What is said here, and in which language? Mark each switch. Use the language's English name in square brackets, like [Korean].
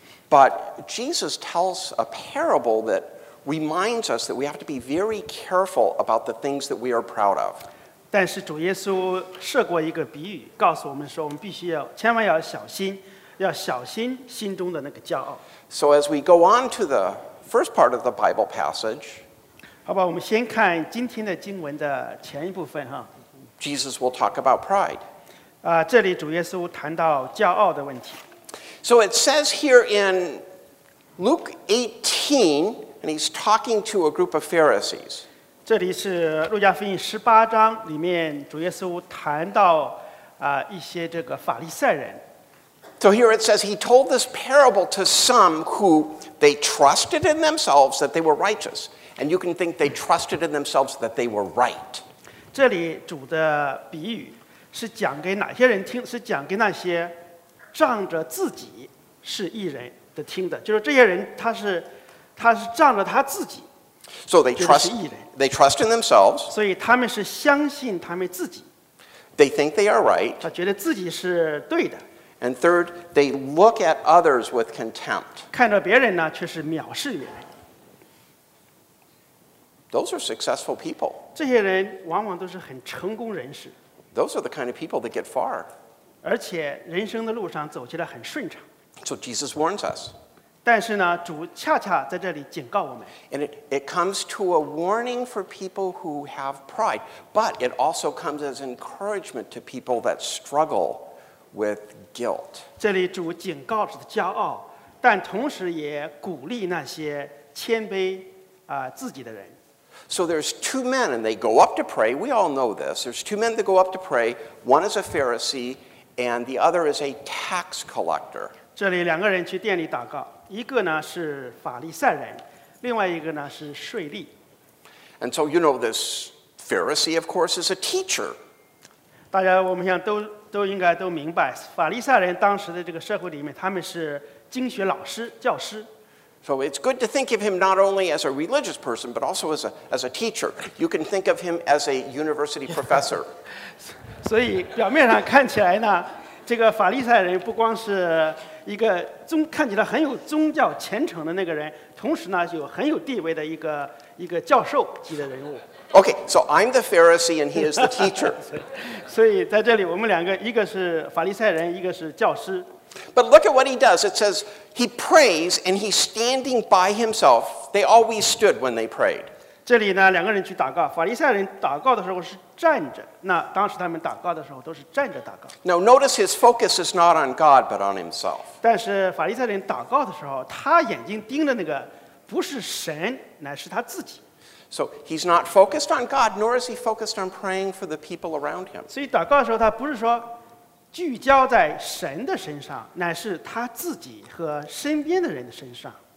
[English] But Jesus tells a parable that reminds us that we have to be very careful about the things that we are proud of. [Chinese] 但是主耶稣设过一个比喻，告诉我们说，我们必须要千万要小心。要小心心中的那个骄傲。 [English] So as we go on to the first part of the Bible passage, [Chinese] 好吧，我们先看今天的经文的前一部分哈。 [English] Jesus will talk about pride. [Chinese] 这里主耶稣谈到骄傲的问题。 [English] So it says here in Luke 18, and he's talking to a group of Pharisees. [Chinese] 这里是路加福音十八章里面主耶稣谈到一些这个法利赛人。 [English] So here it says he told this parable to some who they trusted in themselves that they were righteous. And you can think they trusted in themselves that they were right. [Chinese] 这里主的比喻是讲给哪些人听？是讲给那些仗着自己是义人的听的。就是这些人他是仗着他自己。 [English] So they trust in themselves. [Chinese] 所以他们是相信他们自己。 [English] They think they are right. [Chinese] 他觉得自己是对的。 [English] And third, they look at others with contempt. [Chinese] 看着别人呢，却是藐视别人。 [English] Those are successful people. [Chinese] 这些人往往都是很成功人士。 [English] Those are the kind of people that get far. [Chinese] 而且人生的路上走起来很顺畅。 [English] So Jesus warns us. [Chinese] 但是呢，主恰恰在这里警告我们。 [English] And it comes to a warning for people who have pride, but it also comes as encouragement to people that struggle. With guilt. [Chinese] 这里主警告着骄傲，但同时也鼓励那些谦卑自己的人。 [English] So there's two men and they go up to pray. We all know this. There's two men that go up to pray. One is a Pharisee and the other is a tax collector. [Chinese] 这里两个人去殿里祷告，一个呢是法利赛人，另外一个呢是税吏。 [English] And so you know this Pharisee, of course, is a teacher. [Chinese] 大家我们想都应该都明白，法利赛人当时的这个社会里面，他们是经学老师、教师。 [English] So it's good to think of him not only as a religious person, but also as a teacher. You can think of him as a university professor. [Chinese] 所以表面上看起来呢，这个法利赛人不光是一个宗看起来很有宗教虔诚的那个人，同时呢有很有地位的一个教授级的人物。 [English] Okay, so I'm the Pharisee and he is the teacher. [Chinese] 所以在这里我们两个，一个是法利赛人，一个是教师。 [English] But look at what he does. It says he prays and he's standing by himself. They always stood when they prayed. [Chinese] 这里呢，两个人去祷告。法利赛人祷告的时候是站着。那当时他们祷告的时候都是站着祷告。 [English] Now notice his focus is not on God but on himself. [Chinese] 但是法利赛人祷告的时候，他眼睛盯着那个不是神，乃是他自己。 [English] So he's not focused on God, nor is he focused on praying for the people around him. [Chinese] 所以祷告的时候，他不是说聚焦在神的身上，乃是他自己和身边的人的身上。